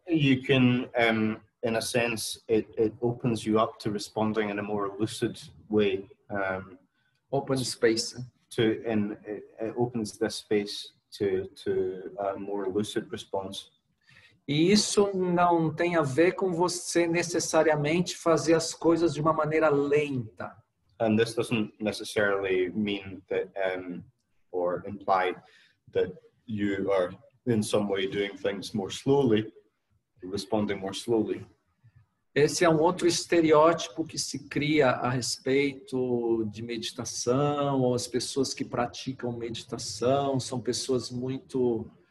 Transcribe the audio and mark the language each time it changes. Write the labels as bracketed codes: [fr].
[en] You can, in a sense, it opens you up to responding in a more lucid way. Open space. It opens the space to a more lucid response. [pt] E isso não tem a ver com você necessariamente fazer as coisas de uma maneira lenta. [en] And this doesn't necessarily mean that, or imply that you are in some way doing things more slowly, responding more slowly. [pt] Esse é outro estereótipo que se cria a respeito de meditação, ou as pessoas que praticam meditação são pessoas muito...